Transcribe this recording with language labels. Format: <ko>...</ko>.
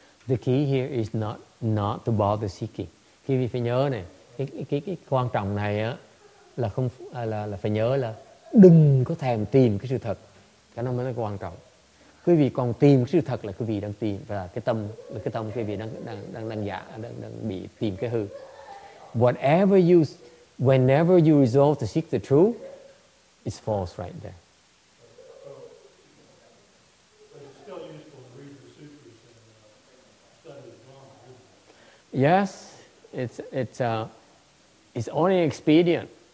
<en>The key here is not to bother seeking.</en> <vi>Khi vị phải nhớ này, cái quan trọng này á là không là phải nhớ là đừng có thèm tìm cái sự thật. Cái nó mới là quan trọng. Quý vị còn tìm cái sự thật là quý vị đang tìm và cái tâm quý vị đang bị tìm cái hư.</vi> <en>Whenever you resolve to seek the truth, it's false right there. Yes, it's only expedient.</en>